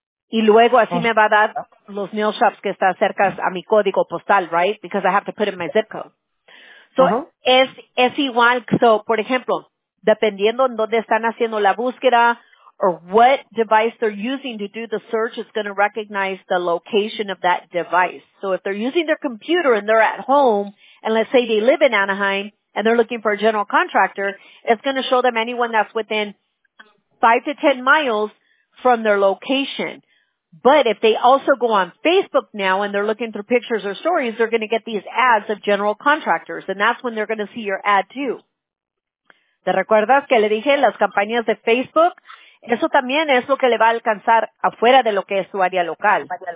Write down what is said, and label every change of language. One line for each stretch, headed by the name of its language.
Spanish: Y luego así me va a dar los nail shops que está cerca a mi código postal, right?
English: Because I have to put in my zip code. So
Spanish: es igual.
English: So,
Spanish: por ejemplo, dependiendo en dónde están haciendo la búsqueda
English: or what device they're using to do the search, it's going to recognize the location of that device. So if they're using their computer and they're at home, and let's say they live in Anaheim, and they're looking for a general contractor, it's going to show them anyone that's within 5 to 10 miles from their location. But if they also go on Facebook now and they're looking through pictures or stories, they're going to get these ads of general contractors, and that's when they're going to see your ad too.
Spanish: ¿Te recuerdas que le dije las campañas de Facebook? Eso también es lo que le va a alcanzar afuera de lo que es su área local.